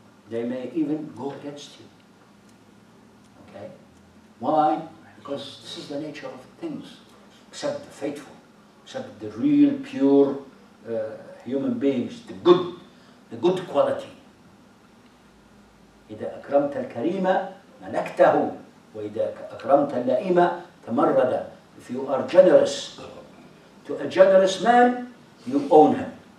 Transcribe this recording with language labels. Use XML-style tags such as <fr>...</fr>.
<en>They may even go against you. Okay? Why? Because this is the nature of things. Except the faithful, except the real, pure human beings, the good quality.</en> <ar>إذا أكرمت الكريمة ملكته وإذا أكرمت اللئيمة تمرد.</ar> <en>If you are generous to a generous man, you own him.</en>